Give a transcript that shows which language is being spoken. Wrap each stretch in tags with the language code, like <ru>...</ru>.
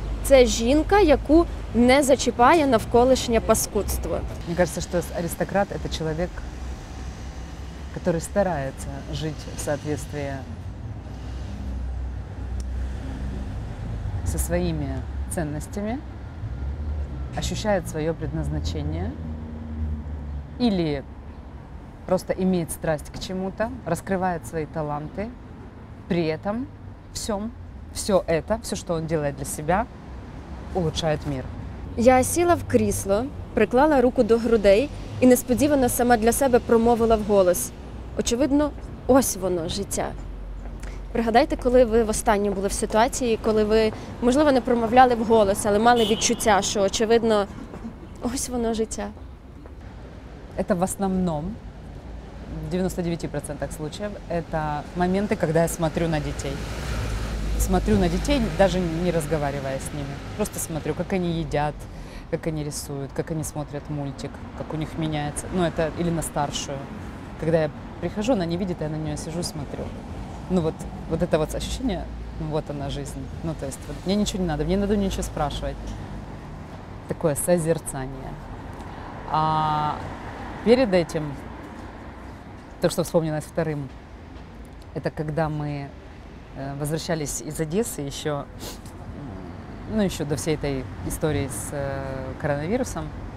<uk>Це жінка, яку не зачіпає навколишнє паскудство.</uk> <ru>Мне кажется, что аристократ – это человек, который старается жить в соответствии со своими ценностями. Ощущает свое предназначение или просто имеет страсть к чему-то, раскрывает свои таланты, при этом всем, все это, все, что он делает для себя, улучшает мир.</ru> <uk>Я сіла в крісло, приклала руку до грудей і несподівано сама для себе промовила в голос. Очевидно, ось воно, життя. Пригадайте, коли ви востаннє були в ситуації, коли ви, можливо, не промовляли в голос, але мали відчуття, що, очевидно, ось воно життя. Це в основному, в 99% случаїв, це моменти, коли я дивлюся на дітей. Дивлюся на дітей, навіть не розмовляю з ними. Просто дивлюся, як вони їдять, як вони рисують, як вони дивляться мультик, як у них змінюється. Ну, це, або на старшу. Коли я прихожу, вона не бачить, я на неї сиджу і дивлюся.</uk> <ru>Ну вот, вот это вот ощущение, ну вот она жизнь. Ну то есть вот, мне ничего не надо, мне надо ничего спрашивать. Такое созерцание. А перед этим, то, что вспомнилось вторым, это когда мы возвращались из Одессы еще, ну, еще до всей этой истории с коронавирусом.</ru>